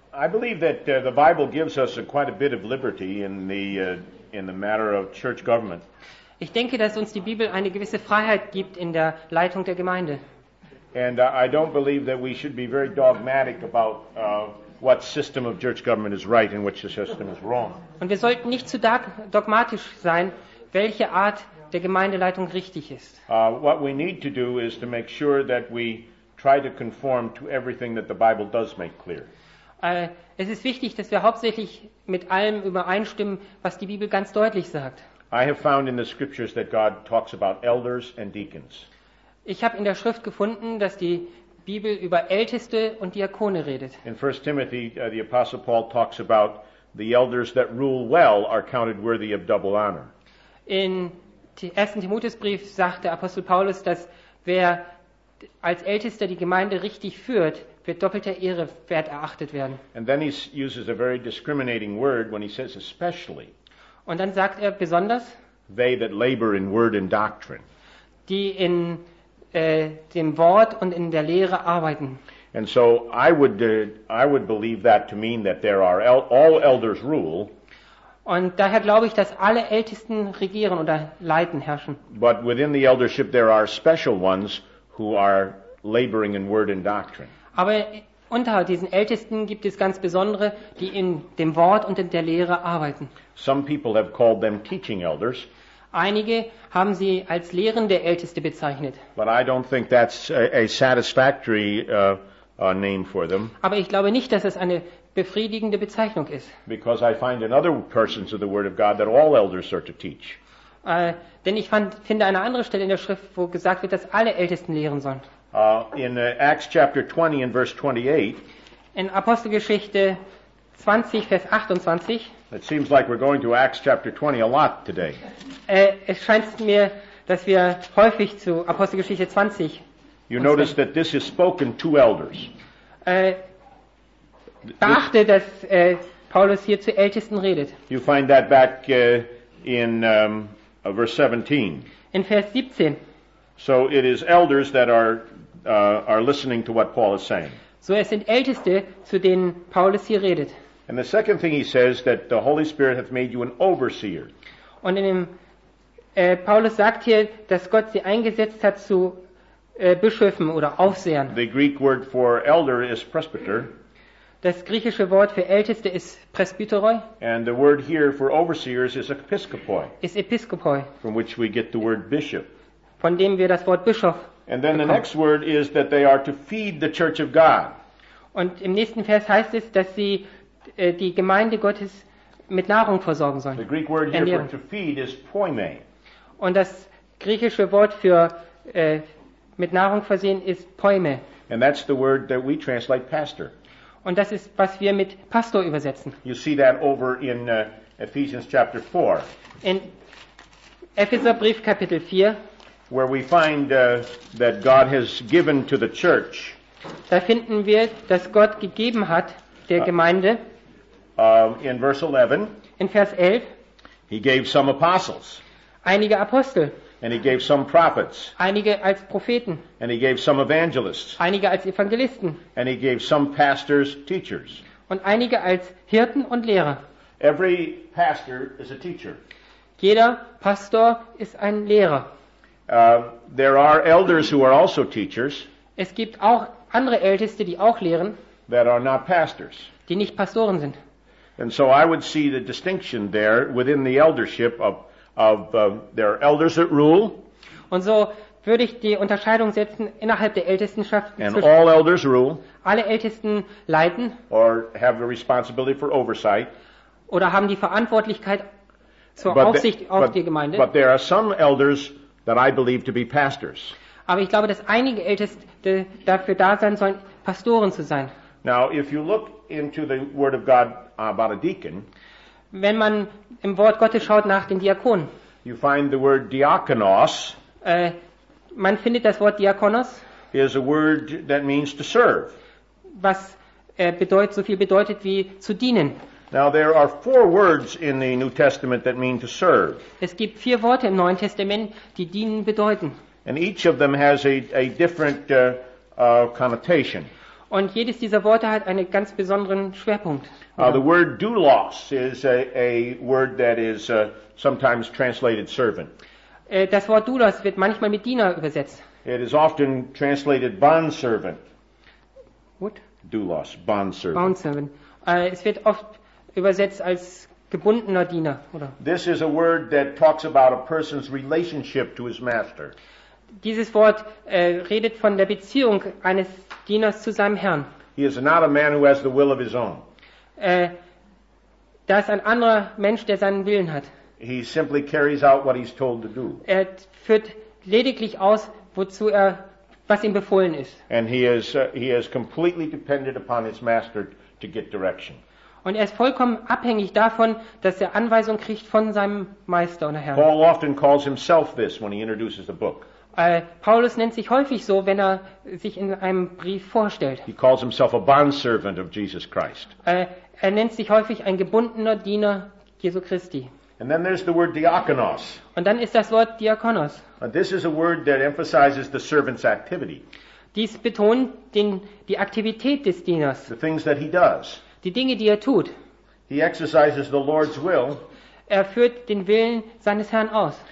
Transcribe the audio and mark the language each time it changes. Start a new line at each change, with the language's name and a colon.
English: I believe that the Bible gives us quite a bit of liberty in the matter of church government.
German: Ich denke, dass uns die Bibel eine gewisse Freiheit gibt in der Leitung der Gemeinde.
English: And I don't believe that we should be very dogmatic about what system of church government is right and which system is wrong.
German: Und wir sollten nicht zu dogmatisch sein, welche Art der Gemeindeleitung richtig ist.
English: What we need to do is to make sure that we try to conform to everything that the Bible does make clear.
German: Es ist wichtig, dass wir hauptsächlich mit allem übereinstimmen, was die Bibel ganz deutlich sagt.
English: I have found in the scriptures that God talks about elders and deacons.
German: Ich habe in der Schrift gefunden, dass die Bibel über Älteste und Diakone redet.
English: In 1 Timothy, the Apostle Paul talks about the elders that rule well are counted worthy of double honor.
German: In 1. Timotheusbrief sagt der Apostel Paulus, dass wer als Ältester die Gemeinde richtig führt, wird doppelter Ehre wert erachtet werden.
English: And then he uses a very discriminating word when he says especially.
German: Und dann sagt er besonders,
English: they that labor in word and doctrine.
German: Die in dem Wort und in der Lehre arbeiten.
English: And so I would believe that to mean that there are all elders rule.
German: Und daher glaube ich, dass alle Ältesten regieren oder leiten, herrschen.
English: But within the eldership there are special ones who are laboring in word and doctrine.
German: Aber unter diesen Ältesten gibt es ganz besondere, die in dem Wort und in der Lehre arbeiten.
English: Some people have called them teaching elders.
German: Einige haben sie als lehrende Älteste bezeichnet.
English: But I don't think that's a satisfactory name for them.
German: Aber ich glaube nicht, dass es eine befriedigende Bezeichnung ist.
English: Because I find in other persons of the Word of God that all elders are to teach.
German: Denn ich finde eine andere Stelle in der Schrift, wo gesagt wird, dass alle Ältesten lehren sollen.
English: In Acts chapter 20 and verse 28.
German: In Apostelgeschichte 20, Vers 28.
English: It seems like we're going to Acts chapter 20 a lot today.
German: Es scheint mir, dass wir häufig zu Apostelgeschichte 20.
English: You notice that this is spoken to elders.
German: Beachte, dass Paulus hier zu Ältesten redet.
English: You find that back in verse 17.
German: In Vers 17.
English: So it is elders that are listening to what Paul is saying.
German: So es sind Älteste, zu denen Paulus hier redet.
English: And the second thing he says that the Holy Spirit hath made you an overseer.
German: Und in dem Paulus sagt hier, dass Gott sie eingesetzt hat zu Bischöfen oder Aufsehern.
English: The Greek word for elder is presbyter.
German: Das griechische Wort für Älteste ist presbyteroi.
English: And the word here for overseers is episkopoi.
German: Ist episkopoi.
English: From which we get the word bishop.
German: Von dem wir das Wort Bischof.
English: And then the next word is that they are to feed the church of God.
German: Und im nächsten Vers heißt es, dass sie die Gemeinde Gottes mit Nahrung versorgen sollen.
English: The Greek word here for to feed is poimē.
German: Und das griechische Wort für mit Nahrung versehen ist poimē.
English: And that's the word that we translate pastor.
German: Und das ist, was wir mit Pastor übersetzen.
English: You see that over in Ephesians chapter 4.
German: In Epheserbrief Kapitel 4.
English: Where we find that God has given to the church.
German: Da finden wir, dass Gott gegeben hat der Gemeinde.
English: In verse 11.
German: In Vers 11.
English: He gave some apostles.
German: Einige Apostel.
English: And he gave some prophets.
German: Einige als Propheten.
English: And he gave some evangelists.
German: Einige als Evangelisten.
English: And he gave some pastors, teachers.
German: Und einige als Hirten und Lehrer.
English: Every pastor is a teacher.
German: Jeder Pastor ist ein Lehrer.
English: There are elders who are also teachers.
German: Es gibt auch andere Älteste, die auch lehren.
English: That are not pastors.
German: Die nicht Pastoren sind.
English: And so I would see the distinction there within the eldership of there are elders that rule.
German: Und so würde ich die Unterscheidung setzen innerhalb der Ältestenschaft.
English: And all elders rule.
German: Alle Ältesten leiten.
English: Or have a responsibility for oversight.
German: Oder haben die Verantwortlichkeit zur Aufsicht auf die Gemeinde.
English: But there are some elders that I believe to be pastors.
German: Aber ich glaube, dass einige Älteste dafür da sein sollen, Pastoren zu sein.
English: Now, if you look into the Word of God about a deacon,
German: wenn man im Wort Gottes schaut nach den Diakonen,
English: you find the word diakonos.
German: Man findet das Wort diakonos.
English: Is a word that means to serve.
German: Was so viel bedeutet wie zu dienen.
English: Now there are four words in the New Testament that mean to serve.
German: Es gibt vier Worte im Neuen Testament, die dienen bedeuten.
English: And each of them has a different connotation.
German: Und jedes dieser Worte hat einen ganz besonderen Schwerpunkt.
English: The word doulos is a word that is sometimes translated servant.
German: Das Wort doulos wird manchmal mit Diener übersetzt.
English: It is often translated bondservant. What? Doulos, bondservant. Bondservant.
German: Es wird oft übersetzt als gebundener Diener, oder?
English: This is a word that talks about a person's relationship to his master.
German: Dieses Wort redet von der Beziehung eines Dieners zu seinem Herrn.
English: He is not a man who has the will of his own.
German: Da ist ein anderer Mensch, der seinen Willen hat.
English: He simply carries out what he's told to do.
German: Er führt lediglich aus, wozu er, was ihm befohlen ist.
English: And he is completely dependent upon his master to get direction.
German: Und er ist vollkommen abhängig davon, dass er Anweisung kriegt von seinem Meister und Herrn.
English: Paul often calls himself this when he introduces a book.
German: Paulus nennt sich häufig so, wenn er sich in einem Brief vorstellt.
English: He calls himself a bondservant of Jesus Christ.
German: Er nennt sich häufig ein gebundener Diener Jesu Christi.
English: And then there's the word diakonos.
German: Und dann ist das Wort Diakonos.
English: This is a word that emphasizes the servant's activity.
German: Dies betont die Aktivität des Dieners.
English: The things that he does.
German: Die Dinge, die er tut.
English: He exercises the Lord's will.
German: Er führt den Willen seines Herrn aus.